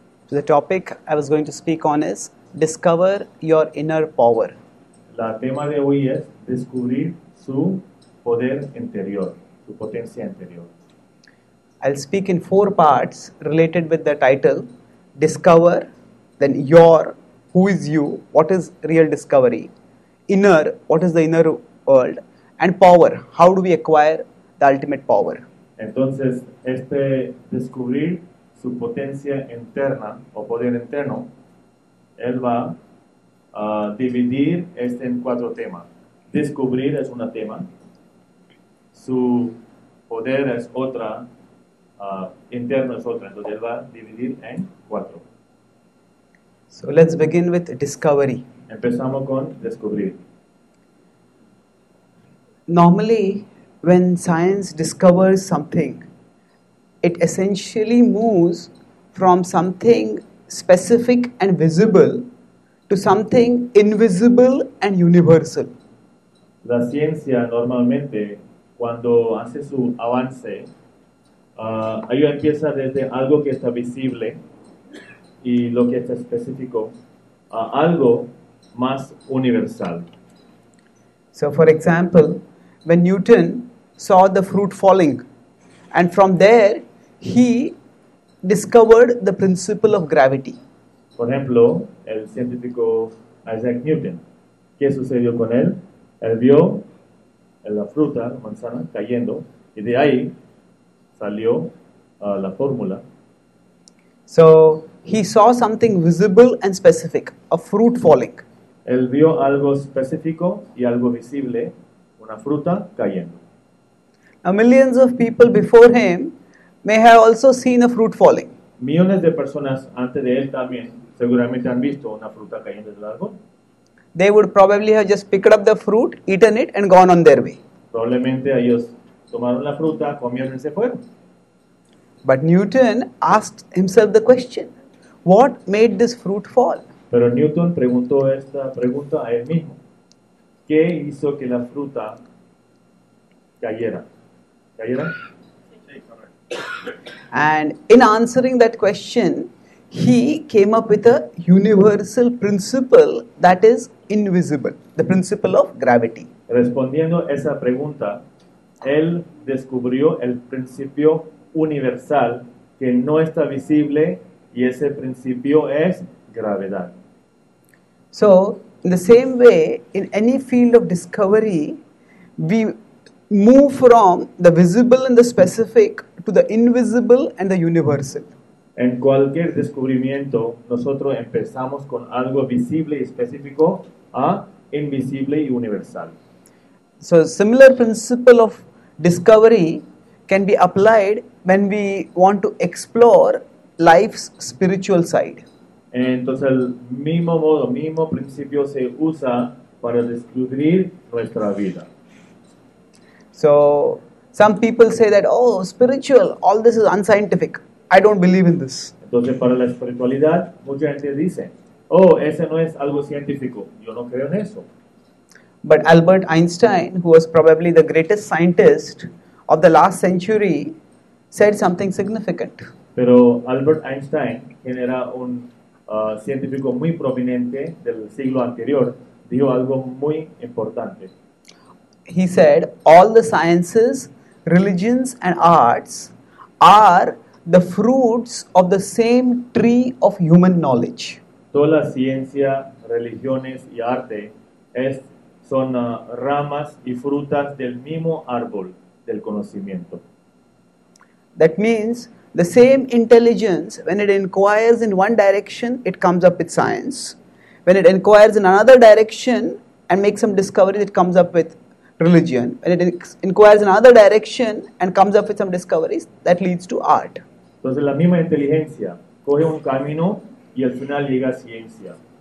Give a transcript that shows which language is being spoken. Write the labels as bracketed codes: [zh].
[en] The topic I was going to speak on is discover your inner power. [es] La tema de hoy es descubrir su poder interior, su potencia interior. [en] I'll speak in four parts related with the title, discover, then your, who is you, what is real discovery, inner, what is the inner world, and power, how do we acquire the ultimate power. [es] Entonces, descubrir su potencia interna o poder interno, él va a dividir este en cuatro temas. Descubrir es un tema, su poder es otra, interno es otra, entonces él va a dividir en cuatro. [en] So let's begin with discovery. [es] Empezamos con descubrir. [en] Normally, when science discovers something, it essentially moves from something specific and visible to something invisible and universal. [es] La ciencia normalmente, cuando hace su avance, ella empieza desde algo que está visible y lo que está específico a algo más universal. [en] So, for example, when Newton saw the fruit falling, and from there he discovered the principle of gravity. [es] Por ejemplo, el científico Isaac Newton, ¿qué sucedió con él? Él vio la fruta, la manzana, cayendo, y de ahí salió la fórmula. [en] So he saw something visible and specific, a fruit falling. [es] Él vio algo específico y algo visible, una fruta cayendo. [en] Now, millions of people before him may have also seen a fruit falling. [es] Millones de personas antes de él también seguramente han visto una fruta cayendo del árbol. [en] They would probably have just picked up the fruit, eaten it, and gone on their way. [es] Probablemente ellos tomaron la fruta, comieron y se fueron. [en] But Newton asked himself the question, what made this fruit fall? [es] Pero Newton preguntó esta pregunta a él mismo. ¿Qué hizo que la fruta cayera? ¿Cayera? [en] And in answering that question, he came up with a universal principle that is invisible, the principle of gravity. [es] Respondiendo esa pregunta, él descubrió el principio universal que no está visible y ese principio es gravedad. [en] So, in the same way, in any field of discovery, we move from the visible and the specific to the invisible and the universal. [es] En cualquier descubrimiento, nosotros empezamos con algo visible y específico a invisible y universal. [en] So, a similar principle of discovery can be applied when we want to explore life's spiritual side. [es] Entonces, el mismo modo, mismo principio se usa para describir nuestra vida. [en] So, some people say that, oh, spiritual, all this is unscientific. I don't believe in this. [es] Entonces, para la espiritualidad, mucha gente dice, oh, ese no es algo científico. Yo no creo en eso. [en] But Albert Einstein, who was probably the greatest scientist of the last century, said something significant. [es] Pero Albert Einstein, quien era un científico muy prominente del siglo anterior, dijo algo muy importante. [en] He said, all the sciences, religions, and arts are the fruits of the same tree of human knowledge. [es] Toda la ciencia, religiones y arte son ramas y frutas del mismo árbol del conocimiento. [en] That means the same intelligence, when it inquires in one direction, it comes up with science. When it inquires in another direction and makes some discovery, it comes up with religion, and it inquires in another direction and comes up with some discoveries that leads to art. [es] Entonces la misma inteligencia coge un camino y al final llega a ciencia.